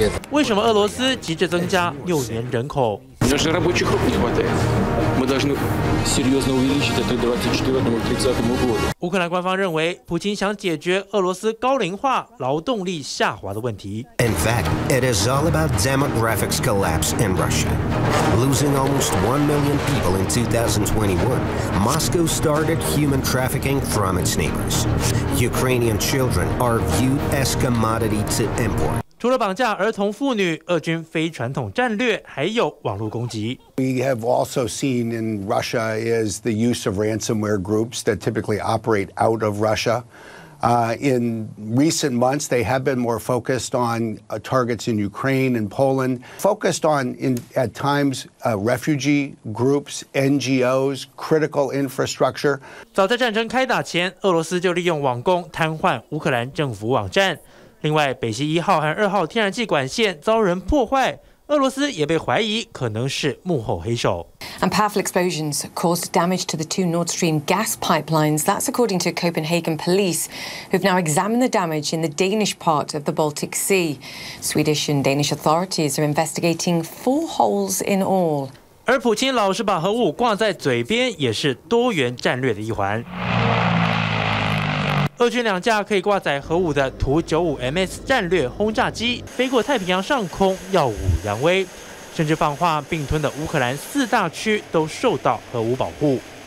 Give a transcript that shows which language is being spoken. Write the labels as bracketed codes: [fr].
[zh] 为什么俄罗斯急着增加幼年人口？乌克兰官方认为，普京想解决俄罗斯高龄化、劳动力下滑的问题。 [en] In fact, it is all about demographics collapse in Russia. Losing almost 1 million people in 2021, Moscow started human trafficking from its neighbors. Ukrainian children are viewed as commodity to import. [zh] 除了绑架儿童妇女，俄军非传统战略还有网络攻击。 [en] We have also seen in Russia is the use of ransomware groups that typically operate out of Russia. In recent months, they have been more focused on targets in Ukraine and Poland, focused on refugee groups, NGOs, critical infrastructure. [zh] 早在战争开打前，俄罗斯就利用网攻瘫痪乌克兰政府网站。另外，北溪一号和二号天然气管线遭人破坏，俄罗斯也被怀疑可能是幕后黑手。 [en] And powerful explosions caused damage to the two Nord Stream gas pipelines. That's according to Copenhagen police, who've now examined the damage in the Danish part of the Baltic Sea. Swedish and Danish authorities are investigating 4 holes in all. [zh] 而普京老是把核武挂在嘴边，也是多元战略的一环。俄军两架可以挂载核武的图-95MS 战略轰炸机飞过太平洋上空，耀武扬威，甚至放话并吞的乌克兰四大区都受到核武保护。